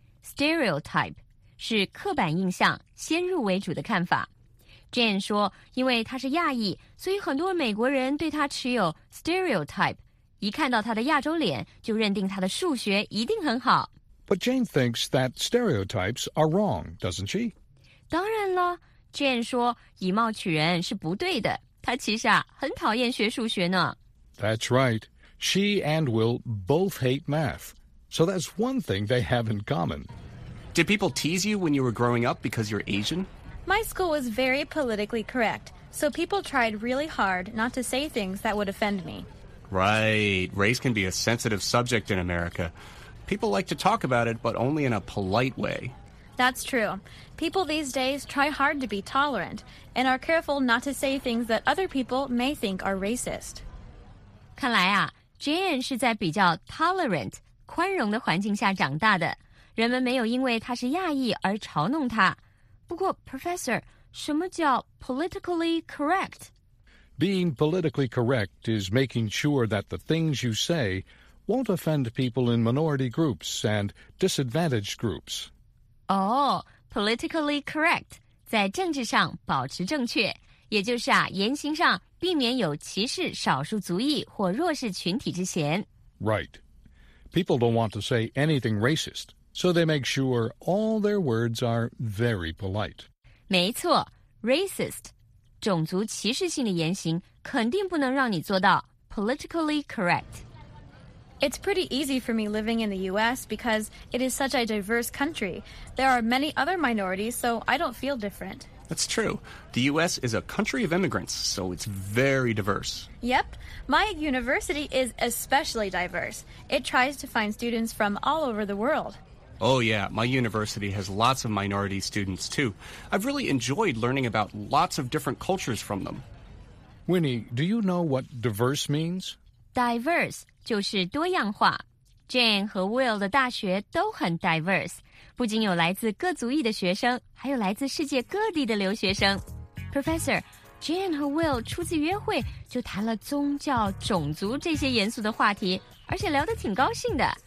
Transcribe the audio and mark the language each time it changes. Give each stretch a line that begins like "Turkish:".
Chinese: Stereotype 是刻板印象，先入为主的看法。 Jane 说，因为他是亚裔，所以很多美国人对他持有 stereotype。一看到他的亚洲脸，就认定他的数学一定很好。
English: But Jane thinks that stereotypes are wrong, doesn't she?
Chinese: 当然了 ,Jane 说以貌取人是不对的。她其实啊很讨厌学数学呢。
English: That's right. She and Will both hate math. So that's one thing they have in common. Did people tease you when you were growing up because you're Asian? My school was very politically correct, so people tried really hard not to say things that would offend me. Right. Race can be a sensitive subject in America. People like to talk about it, but only in a polite way. That's true. People these days try hard to be tolerant and are careful not to say things that other people may think are racist.
Chinese: 看来啊 ,Jane 是在比较 tolerant, 宽容的环境下长大的。人们没有因为她是亚裔而嘲弄她。不过 ,Professor, 什么叫 politically correct?
English: Being politically correct is making sure that the things you say... won't offend people in minority groups and disadvantaged groups. Oh, politically correct.
Chinese: 在政治上保持正确，也就是啊，言行上避免有歧视少数族裔或弱势群体之嫌。
English: Right. People don't want to say anything racist, so they make sure all their words are very polite.
Chinese: 没错 ,racist, 种族歧视性的言行肯定不能让你做到 politically correct.
English: It's pretty easy for me living in the U.S. because it is such a diverse country. There are many other minorities, so I don't feel different. That's true. The U.S. is a country of immigrants, so it's very diverse. Yep. My university is especially diverse. It tries to find students from all over the world. Oh, yeah. My university has lots of minority students, too. I've really enjoyed learning about lots of different cultures from them. Winnie, do you know what diverse means?
Chinese: Diverse 就是多样化。Jane 和 Will 的大学都很 diverse， 不仅有来自各族裔的学生，还有来自世界各地的留学生。 Professor， Jane 和 Will 初次约会就谈了宗教、种族这些严肃的话题，而且聊得挺高兴的。